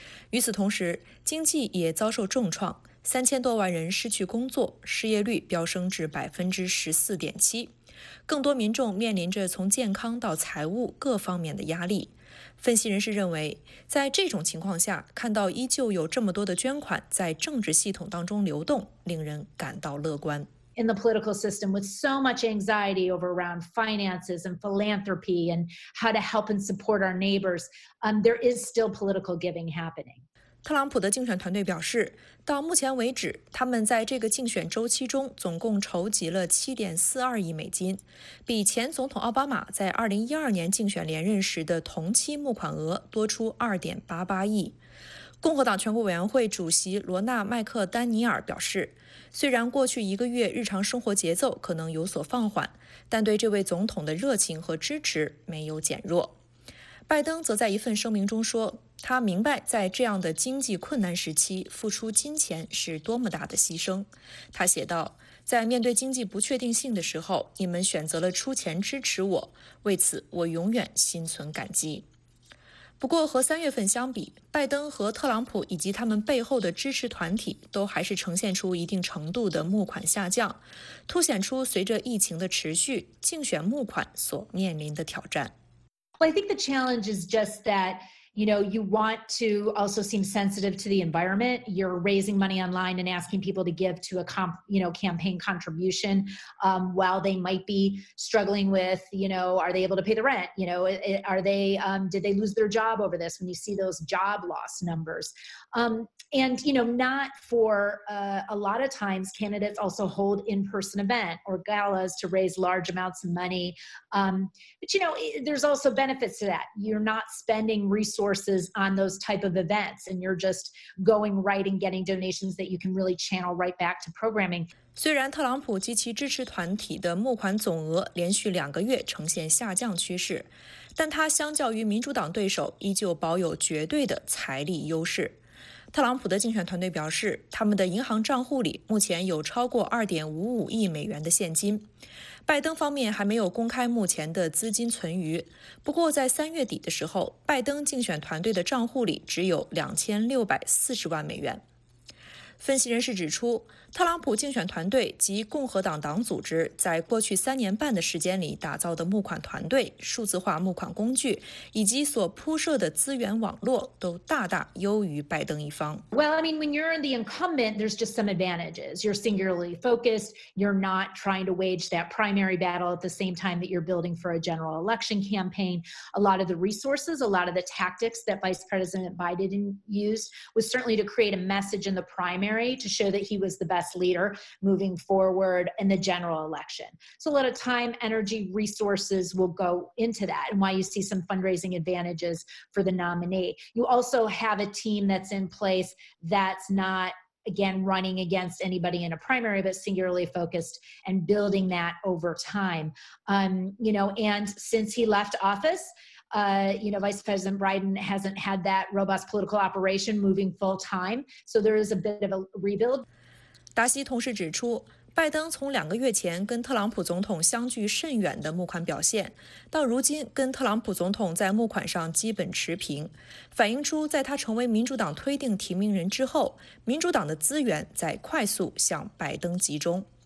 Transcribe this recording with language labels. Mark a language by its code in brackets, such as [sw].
[zh] 与此同时，经济也遭受重创，3000多万人失去工作，失业率飙升至14.7%，更多民众面临着从健康到财务各方面的压力。分析人士认为，在这种情况下，看到依旧有这么多的捐款在政治系统当中流动，令人感到乐观。 [en] In the political system, with so much anxiety over around finances and philanthropy and how to help and support our neighbors, there is still political giving happening. [zh] 特朗普的竞选团队表示，到目前为止，他们在这个竞选周期中总共筹集了7.42亿美金，比前总统奥巴马在2012年竞选连任时的同期募款额多出2.88亿。共和党全国委员会主席罗纳·麦克丹尼尔表示，虽然过去一个月日常生活节奏可能有所放缓，但对这位总统的热情和支持没有减弱。拜登则在一份声明中说，他明白在这样的经济困难时期付出金钱是多么大的牺牲。他写道，在面对经济不确定性的时候，你们选择了出钱支持我，为此我永远心存感激。不过和3月份相比，拜登和特朗普以及他们背后的支持团体都还是呈现出一定程度的募款下降，凸显出随着疫情的持续，竞选募款所面临的挑战。 [en] Well, I think the challenge is just that, you know, you want to also seem sensitive to the environment. You're raising money online and asking people to give to a campaign contribution, while they might be struggling with, you know, are they able to pay the rent? You know, did they lose their job over this? When you see those job loss numbers. And, you know, not for a lot of times, candidates also hold in-person event or galas to raise large amounts of money. But, you know, there's also benefits to that. You're not spending resources on those type of events, and you're just going right and getting donations that you can really channel right back to programming. [zh] 虽然特朗普及其支持团体的募款总额连续两个月呈现下降趋势，但他相较于民主党对手依旧保有绝对的财力优势。特朗普的竞选团队表示，他们的银行账户里目前有超过2.55亿美元的现金。拜登方面还没有公开目前的资金存余，不过在3月底的时候，拜登竞选团队的账户里只有2640万美元。分析人士指出，特朗普竞选团队及共和党党组织在过去3年半的时间里打造的募款团队、数字化募款工具以及所铺设的资源网络都大大优于拜登一方。 [en] Well, I mean, when you're the incumbent, there's just some advantages. You're singularly focused. You're not trying to wage that primary battle at the same time that you're building for a general election campaign. A lot of the resources, a lot of the tactics that Vice President Biden used was certainly to create a message in the primary to show that he was the best leader moving forward in the general election. So a lot of time, energy, resources will go into that and why you see some fundraising advantages for the nominee. You also have a team that's in place that's not, again, running against anybody in a primary, but singularly focused and building that over time. You know, and since he left office, you know, Vice President Biden hasn't had that robust political operation moving full time. So there is a bit of a rebuild. [zh] 达西同时指出，拜登从两个月前跟特朗普总统相距甚远的募款表现，到如今跟特朗普总统在募款上基本持平，反映出在他成为民主党推定提名人之后，民主党的资源在快速向拜登集中。